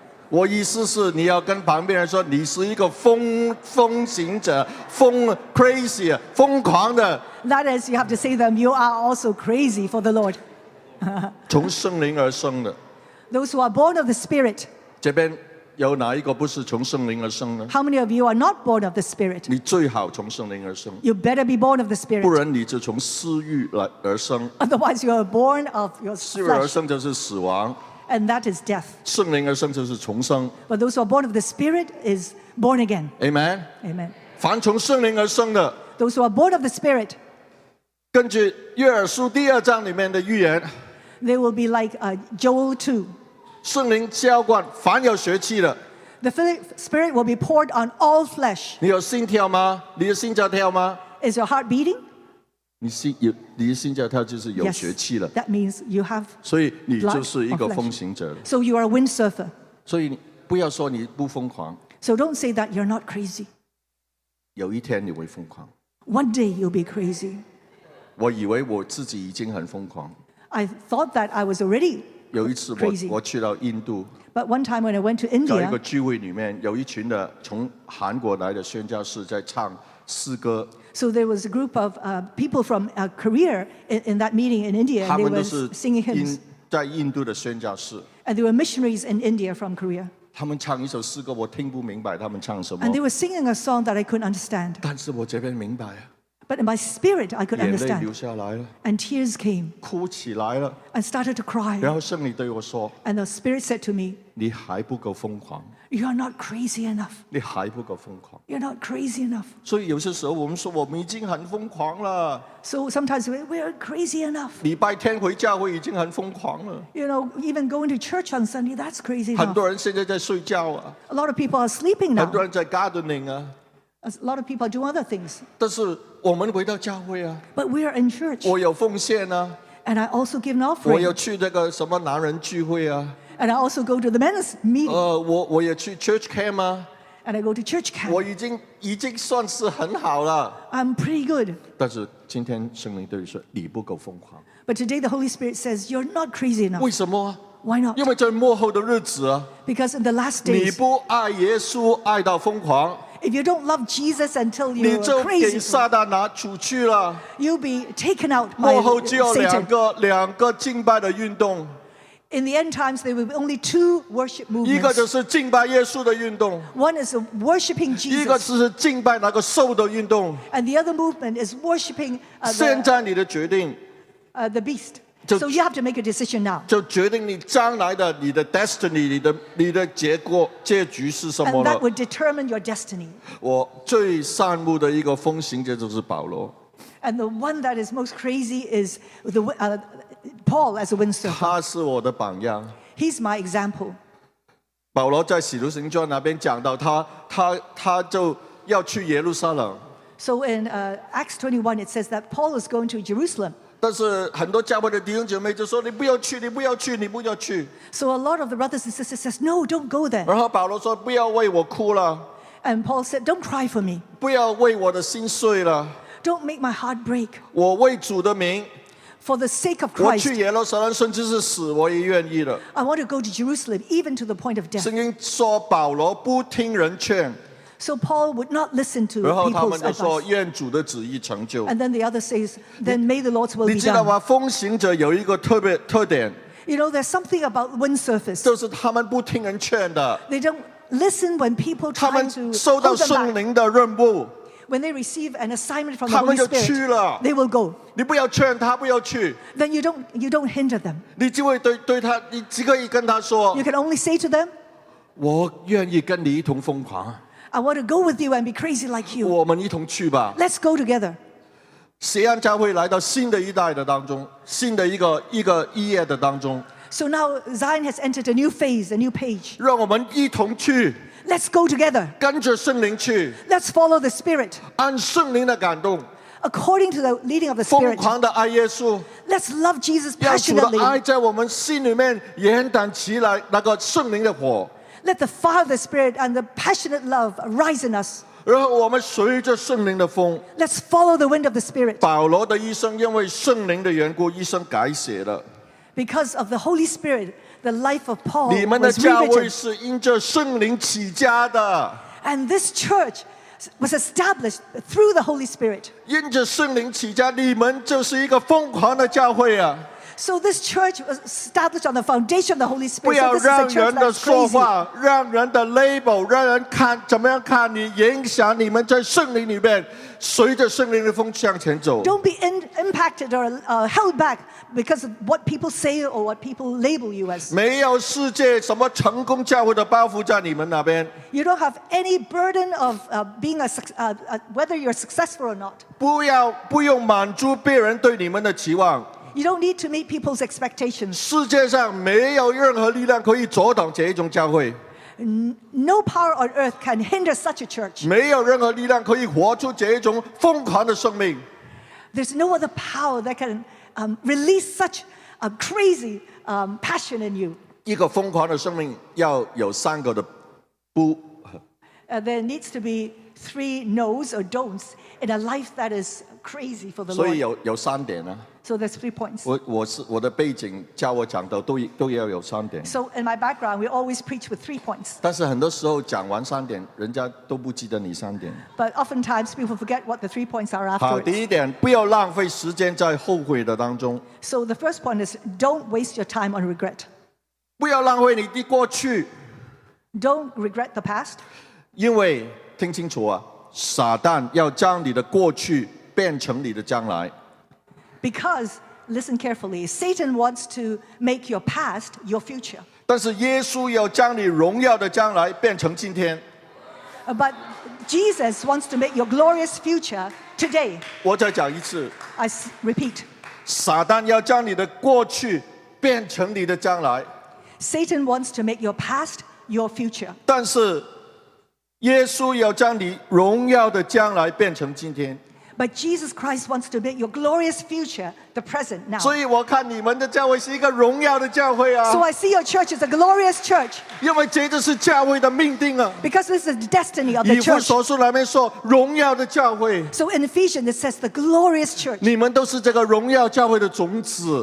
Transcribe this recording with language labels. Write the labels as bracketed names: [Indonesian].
[Chinese] 我意思是你要跟旁边人说, 你是一个疯行者, 疯 crazy, 疯狂的, [English] that is, you have to say them, you are also crazy for the Lord. [Chinese] 从圣灵而生的, [English] those who are born of the Spirit, [Chinese] 这边有哪一个不是从圣灵而生的? [English] How many of you are not born of the Spirit? [Chinese] 你最好从圣灵而生, [English] you better be born of the Spirit. [Chinese] 不然你就从私欲而生, [English] otherwise you are born of your flesh. [Chinese] 私欲而生就是死亡, [English] and that is death. [Chinese] 圣灵而生就是重生, [English] but those who are born of the Spirit is born again. Amen. Amen. [Chinese] 凡从圣灵而生的, [English] those who are born of the Spirit, [Chinese] 根据约珥书第二章里面的预言, [English] they will be like Joel 2. [Chinese] 圣灵浇灌, 凡有血气的, [English] the Spirit will be poured on all flesh. [Chinese] 你有心跳吗?你的心脏跳吗? [English] Is your heart beating? [Chinese] 你心跳就是有血气了, [English] yes, that means you have, [Chinese] 所以你就是一个风行者, [English] so you are a wind surfer. [Chinese] 所以不要说你不疯狂, [English] so don't say that you're not crazy. [Chinese] 有一天你会疯狂, [English] One day you'll be crazy. [Chinese] 我以为我自己已经很疯狂。 [English] I thought that I was already crazy. [Chinese] 有一次我去到印度。 [English] But one time when I went to India, [Chinese] 在一个聚会里面，有一群的从韩国来的宣教士在唱诗歌。 [English] So there was a group of people from Korea in that meeting in India. And they were singing hymns. [Chinese] 在印度的宣教士。 [English] And there were missionaries in India from Korea. [Chinese] 他们唱一首诗歌，我听不明白他们唱什么。 [English] And they were singing a song that I couldn't understand. [Chinese] 但是我这边明白。 [English] But in my spirit, I could understand. [Chinese] 眼泪流下来了。 [English] And tears came. [Chinese] 哭起来了。 [English] I started to cry. [Chinese] 然后圣灵对我说。 [English] And the spirit said to me. [Chinese] 你还不够疯狂。 [English] You are not crazy enough. [Chinese] 你还不够疯狂。 [English] You're not crazy enough. [Chinese] 所以有些时候我们说我们已经很疯狂了。 [English] So sometimes we are crazy enough. [Chinese] 礼拜天回教会已经很疯狂了。 [English] You know, even going to church on Sunday, that's crazy enough. [Chinese] 很多人现在在睡觉啊。 [English] A lot of people are sleeping now. [Chinese] 很多人在 gardening 啊。 [English] A lot of people do other things. [Chinese] 但是我们回到教会啊。 [English] But we are in church. [Chinese] 我有奉献啊。 [English] And I also give an offering. [Chinese] 我有去这个什么男人聚会啊。 [English] And I also go to the men's meeting. [Chinese] 我也去 church camp 啊。 [English] And I go to church camp. [Chinese] 我已经算是很好了。 [English] I'm pretty good. [Chinese] 但是今天圣灵对你说，你不够疯狂。 [English] But today the Holy Spirit says you're not crazy enough. [Chinese] 为什么啊？ [English] Why not? [Chinese] 因为在末后的日子啊。 [English] Because in the last days. [Chinese] 你不爱耶稣爱到疯狂。 [English] If you don't love Jesus until you're crazy, [Chinese] 你就给撒旦拿出去了。 [English] You'll be taken out by Satan. [Chinese] 末后只有两个敬拜的运动。 [English] In the end times, there will be only two worship movements. [Chinese] 一个就是敬拜耶稣的运动。 [English] One is worshiping Jesus. [Chinese] 一个就是敬拜那个兽的运动。 [English] And the other movement is worshiping. [Chinese] 现在你的决定。 [English] The beast. So you have to make a decision now. [Chinese] 就决定你将来的你的 destiny, 你的结果结局是什么了。 [English] And that would determine your destiny. [Chinese] 我最羡慕的一个风行者就是保罗。 [English] And the one that is most crazy is Paul as a windsurfer. [Chinese] 他是我的榜样。 [English] He's my example. [Chinese] 保罗在使徒行传那边讲到他就要去耶路撒冷。 [English] So in Acts 21, it says that Paul is going to Jerusalem. [Chinese] 但是很多教会的弟兄姐妹就说你不要去，你不要去，你不要去。 [English] So a lot of the brothers and sisters says, no, don't go there. [Chinese] 然后保罗说不要为我哭了。 [English] And Paul said, don't cry for me. [Chinese] 不要为我的心碎了。 [English] Don't make my heart break. [Chinese] 我为主的名。 [English] For the sake of Christ. [Chinese] 我去耶路撒冷甚至是死我也愿意了。 [English] I want to go to Jerusalem even to the point of death. [Chinese] 圣经说保罗不听人劝。 [English] So Paul would not listen to people's advice. And then the other says, then may the Lord's will be done. [Chinese] 你知道吗？风行者有一个特点。 [English] You know, there's something about windsurfers. [Chinese] 就是他们不听人劝的。 [English] They don't listen when people try to hold them back. [Chinese] 他们收到圣灵的任务。 [English] When they receive an assignment from the Holy Spirit, they will go. [Chinese] 你不要劝他不要去。 [English] Then you don't hinder them. [Chinese] 你只会对他，你只可以跟他说。 [English] You can only say to them, [Chinese] 我愿意跟你一同疯狂。 [English] I want to go with you and be crazy like you. [Chinese] 我们一同去吧。 [English] Let's go together. [Chinese] 锡安教会来到新的一代的当中，新的一个一页的当中。 [English] So now Zion has entered a new phase, a new page. [Chinese] 让我们一同去。 [English] Let's go together. [Chinese] 跟着圣灵去。 [English] Let's follow the Spirit. [Chinese] 按圣灵的感动。 [English] According to the leading of the Spirit. [Chinese] 疯狂的爱耶稣。 [English] Let's love Jesus passionately. [Chinese] 让主的爱在我们心里面燃燃起来，那个圣灵的火。 [English] Let the fire of the Spirit and the passionate love rise in us. [Chinese] 然后我们随着圣灵的风。 [English] Let's follow the wind of the Spirit. [Chinese] 保罗的一生因为圣灵的缘故，一生改写了。 [English] Because of the Holy Spirit, the life of Paul was [Chinese] rewritten. 你们的教会是因着圣灵起家的。 [English] And this church was established through the Holy Spirit. [Chinese] 因着圣灵起家，你们就是一个疯狂的教会啊。 [English] So this church was established on the foundation of the Holy Spirit. [Chinese] 不要让人的说话，让人的 label， 让人看怎么样看你，影响你们在圣灵里面，随着圣灵的风向前走。 [English] Don't be impacted or held back because of what people say or what people label you as. [Chinese] 没有世界什么成功教会的包袱在你们那边。 [English] You don't have any burden of being whether you're successful or not. [Chinese] 不用满足别人对你们的期望。 [English] You don't need to meet people's expectations. [Chinese] 世界上没有任何力量可以阻挡这种教会。 [English] No power on earth can hinder such a church. [Chinese] 没有任何力量可以活出这种疯狂的生命。 [English] There's no other power that can release such a crazy passion in you. [Chinese] 一个疯狂的生命要有三个的不。 [English] There needs to be three no's or don'ts in a life that is crazy for the [Chinese] Lord. 所以有三点啊。 [English] So there's 3 points. [Chinese] 我的背景教我讲的都要有三点。 [English] So in my background, we always preach with 3 points. [Chinese] 但是很多时候讲完三点，人家都不记得你三点。 [English] But oftentimes people forget what the 3 points are after. [Chinese] 好，第一点，不要浪费时间在后悔的当中。 [English] So the first point is don't waste your time on regret. [Chinese] 不要浪费你的过去。 [English] Don't regret the past. [Chinese] 因为，听清楚啊，撒旦要将你的过去变成你的将来。 [English] Because, listen carefully, Satan wants to make your past your future. [Chinese] 但是耶稣要将你荣耀的将来变成今天。 [English] But Jesus wants to make your glorious future today. [Chinese] 我再讲一次。 [English] I repeat. [Chinese] 撒旦要将你的过去变成你的将来。 [English] Satan wants to make your past your future. [Chinese] 但是耶稣要将你荣耀的将来变成今天。 [English] But Jesus Christ wants to make your glorious future the present now. [Chinese] 所以我看你们的教会是一个荣耀的教会啊。 [English] So I see your church is a glorious church. [Chinese] 因为这就是教会的命定啊。 [English] Because this is the destiny of the church. [Chinese] 以弗所书里面说荣耀的教会。 [English] So in Ephesians it says the glorious church. [Chinese] 你们都是这个荣耀教会的种子。